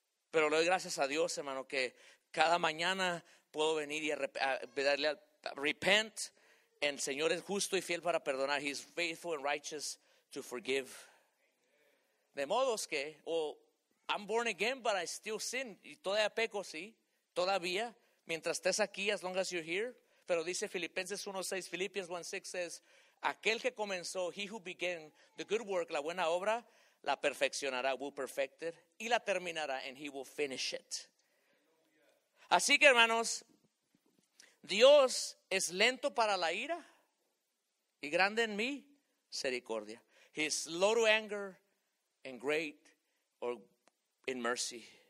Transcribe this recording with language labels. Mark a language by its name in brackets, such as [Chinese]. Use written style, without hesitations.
[Spanish] Pero le doy gracias a Dios, hermano, que cada mañana puedo venir y darle al repent. El Señor es justo y fiel para perdonar. [English] He's faithful and righteous to forgive. [Spanish] De modos que, [English] I'm born again, but I still sin. [Spanish] Y todavía peco, sí. Todavía. Mientras estés aquí, [English] as long as you're here. [Spanish] Pero dice [English] Philippians 1:6 says, [Spanish] aquel que comenzó, [English] he who began the good work, [Spanish] la buena obra, la perfeccionará, [English] will perfect it, [Spanish] y la terminará, [English] and he will finish it. [Spanish] Así que, hermanos, Dios es lento para la ira, y grande en mí, misericordia. [English] He is slow to anger, and great, or in mercy.